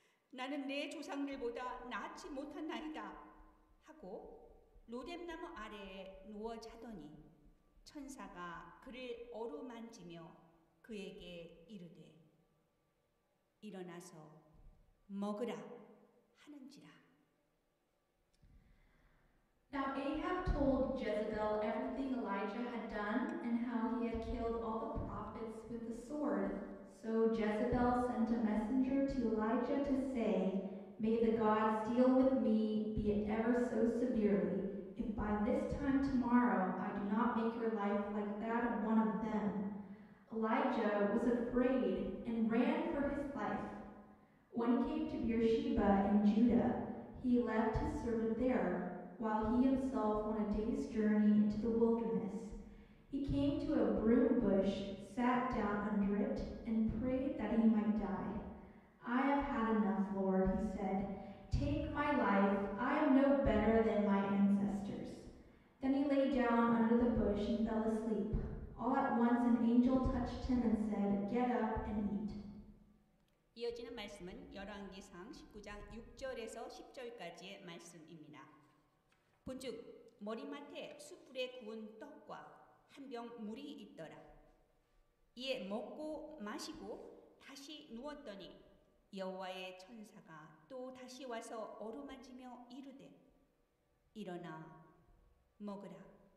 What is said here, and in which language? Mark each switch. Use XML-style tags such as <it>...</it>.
<ko>나는 내 조상들보다 낫지 못한 나이다 하고 로뎀나무 아래에 누워 자더니 천사가 그를 어루만지며 그에게 이르되 일어나서 먹으라 하는지라.</ko> <en>Now Ahab told Jezebel everything Elijah had done and how he had killed all the prophets with the sword. So Jezebel sent a messenger to Elijah to say, May the gods deal with me, be it ever so severely, if by this time tomorrow I do not make your life like that of one of them. Elijah was afraid and ran for his life. When he came to Beersheba in Judah, he left his servant there, while he himself went a day's journey into the wilderness. He came to a broom bush, sat down under it, and prayed that he might die. I have had enough, Lord, he said. Take my life. I am no better than my ancestors. Then he lay down under the bush and fell asleep. All at once an angel touched him and said, Get up and eat.</en> <ko>이어지는 말씀은 열왕기상 19장 6절에서 10절까지의 말씀입니다. 본즉 머리맡에 숯불에 구운 떡과 한 병 물이 있더라. 이에 먹고 마시고 다시 누웠더니 여호와의 천사가 또 다시 와서 어루만지며 이르되 일어나 먹으라.</ko>